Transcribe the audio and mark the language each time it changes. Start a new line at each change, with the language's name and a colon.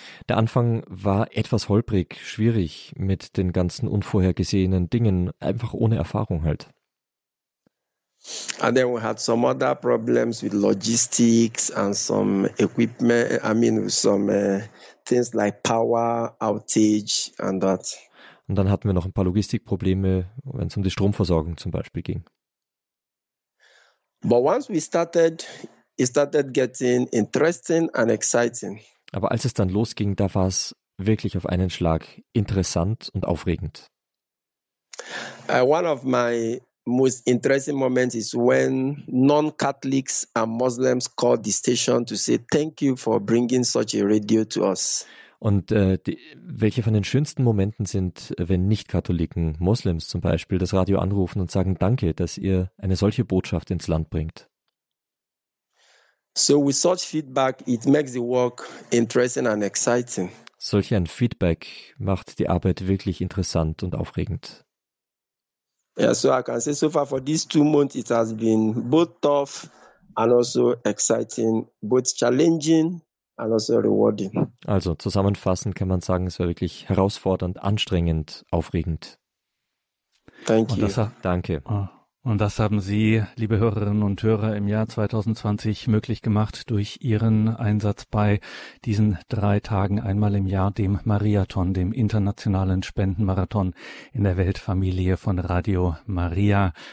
German: Der Anfang war etwas holprig, schwierig mit den ganzen unvorhergesehenen Dingen, einfach ohne Erfahrung halt.
English: And then we had some other problems with logistics and some equipment, I mean some things like power outage and that.
German: Und dann hatten wir noch ein paar Logistikprobleme, wenn es um die Stromversorgung zum Beispiel ging.
English: But once we started, it started getting interesting and exciting.
German: Aber als es dann losging, da war es wirklich auf einen Schlag interessant und aufregend.
English: One of my most interesting moments is when non-Catholics and Muslims called the station to say thank you for bringing such a radio to us.
German: Und welche von den schönsten Momenten sind, wenn Nicht-Katholiken, Moslems zum Beispiel, das Radio anrufen und sagen, danke, dass ihr eine solche Botschaft ins Land bringt.
English: So with such feedback, it makes the work interesting and exciting.
German: Solch ein Feedback macht die Arbeit wirklich interessant und aufregend.
English: Yeah, so I can say so far for these 2 months, it has been both tough and also exciting, both challenging.
German: Also zusammenfassend kann man sagen, es war wirklich herausfordernd, anstrengend, aufregend.
English: Thank you.
German: Danke. Und das haben Sie, liebe Hörerinnen und Hörer, im Jahr 2020 möglich gemacht durch Ihren Einsatz bei diesen 3 Tagen einmal im Jahr, dem Mariathon, dem internationalen Spendenmarathon in der Weltfamilie von Radio Maria.